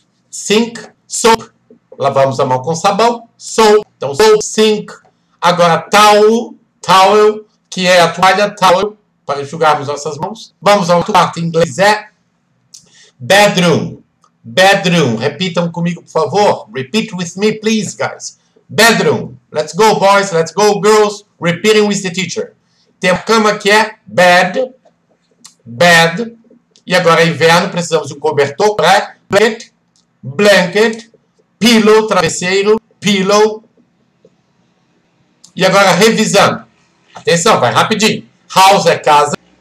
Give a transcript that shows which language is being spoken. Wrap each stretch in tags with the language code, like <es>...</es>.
<pt>Sink. Soap. Lavamos a mão com sabão. Soap. Então, soap, sink. Agora, towel. Towel, que é a toalha, towel, para enxugarmos nossas mãos. Vamos ao outro quarto, em inglês é bedroom. Bedroom, repitam comigo, por favor.</pt> <en>Repeat with me, please, guys. Bedroom. Let's go, boys. Let's go, girls. Repeating with the teacher.</en> <pt>Tem a cama que é bed. Bed. E agora é inverno, precisamos de um cobertor.</pt> <en>Blanket. Blanket. Pillow, travesseiro. Pillow.</en> <pt>E agora, revisando. Atenção, vai rapidinho. House é casa.</pt>